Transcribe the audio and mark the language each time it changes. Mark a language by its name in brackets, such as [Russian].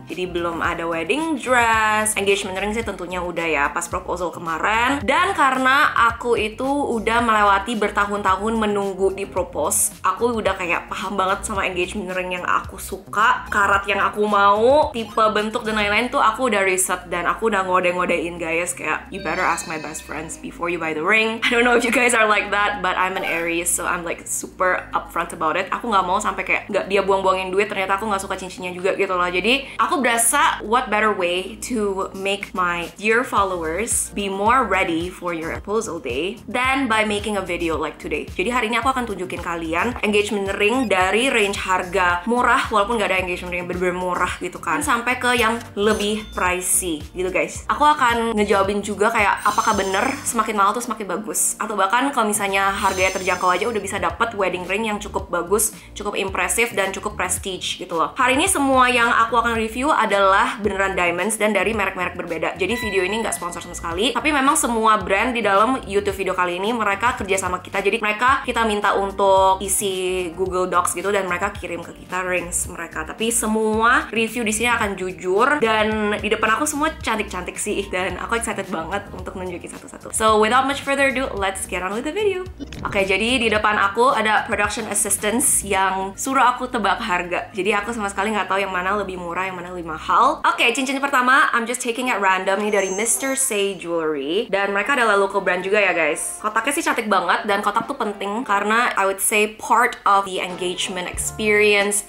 [Indonesian] Jadi belum ada wedding dress, engagement ring sih tentunya udah ya pas proposal kemarin. Dan karena aku itu udah melewati bertahun-tahun menunggu di propose, aku udah kayak paham banget sama engagement ring yang aku suka, karat yang aku mau, tipe bentuk dan lain-lain tuh aku udah riset dan aku udah ngode-ngodein, guys. Kayak [English] you better ask my best friends before you buy the ring. I don't know if you guys are like that, but I'm an Aries, so I'm like super upfront about it. [Indonesian] Aku nggak mau sampai kayak nggak dia buang-buangin duit, ternyata aku nggak suka cincinnya juga gitu loh. Jadi aku berasa [English] what better way to make my dear followers be more ready for your proposal day than by making a video like today. [Indonesian] Jadi hari ini aku akan tunjukin kalian engagement ring dari range harga murah, walaupun gak ada engagement ring bener-bener murah gitu kan, sampai ke yang lebih pricey gitu, guys. Aku akan ngejawabin juga kayak apakah bener semakin mahal tuh semakin bagus, atau bahkan kalau misalnya harganya terjangkau aja udah bisa dapet wedding ring yang cukup bagus, cukup impressive, dan cukup prestige gitu loh. Hari ini semua yang aku akan review adalah beneran diamonds dan dari merek-merek berbeda. Jadi video ini gak sponsor sama sekali, tapi memang semua brand di dalam YouTube video kali ini mereka kerja sama kita. Jadi mereka kita minta untuk isi Google Docs gitu dan mereka kirim ke kita rings mereka. Tapi semua review di sini akan jujur dan di depan aku semua cantik-cantik sih dan aku excited banget untuk nunjukin satu-satu. [English] So without much further ado, let's get on with the video. [Indonesian] Oke, jadi di depan aku ada production assistants yang suruh aku tebak harga. Jadi aku sama sekali nggak tahu yang mana lebih murah, yang mana lebih mahal. Oke, cincin pertama [English] I'm just taking at random [Indonesian] nih dari Mr. Say Jewelry dan mereka adalah local brand juga ya, guys. Kotaknya sih cantik banget dan kotak tuh penting karena [English] I would say part of the engagement experience.